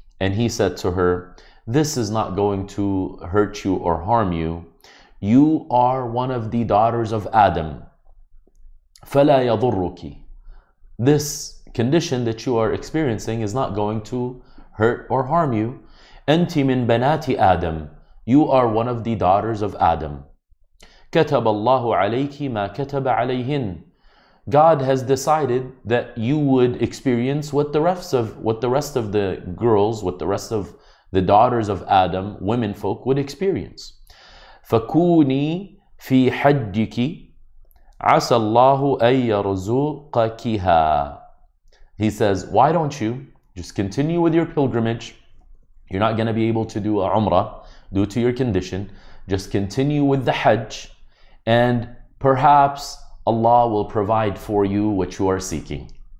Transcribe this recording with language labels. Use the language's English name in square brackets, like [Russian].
[English] And he said to her, "This is not going to hurt you or harm you. You are one of the daughters of Adam. [Arabic] فَلَا يَضُرُّكِ. [English] This condition that you are experiencing is not going to hurt or harm you. [Arabic] أَنْتِ مِنْ بَنَاتِ Adam. [English] You are one of the daughters of Adam. [Arabic] كتب الله عليك ما كتب عليهن. [English] God has decided that you would experience what the rest of the daughters of Adam, women folk, would experience. [Arabic] فكوني في حجك عسى الله أن يرزقكها. [English] He says, why don't you just continue with your pilgrimage? You're not going to be able to do a umrah due to your condition. Just continue with the Hajj, and perhaps Allah will provide for you what you are seeking.